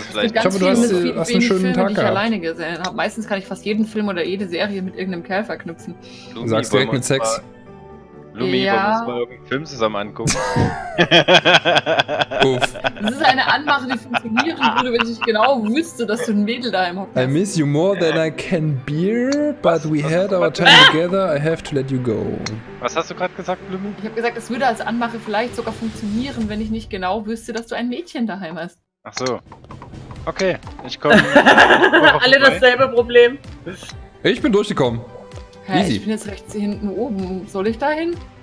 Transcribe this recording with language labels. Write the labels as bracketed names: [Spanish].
[German] Ich hoffe, du hast einen schönen Tag gehabt. Ich habe alleine gesehen. Meistens kann ich fast jeden Film oder jede Serie mit irgendeinem Kerl verknüpfen. Du sagst direkt mit Sex. Blumi, ja. Wollen wir uns mal irgendeinen Film zusammen angucken? Das ist eine Anmache, die funktionieren würde, wenn ich genau wüsste, dass du ein Mädel daheim hast. [English] I miss you more than I can bear, but we had our time together, I have to let you go. [German] Was hast du gerade gesagt, Blumi? Ich habe gesagt, es würde als Anmache vielleicht sogar funktionieren, wenn ich nicht genau wüsste, dass du ein Mädchen daheim hast. Ach so. Okay, ich komme. Alle dasselbe Problem. Ich bin durchgekommen. Hä, ich bin jetzt rechts hinten oben. Soll ich da hin?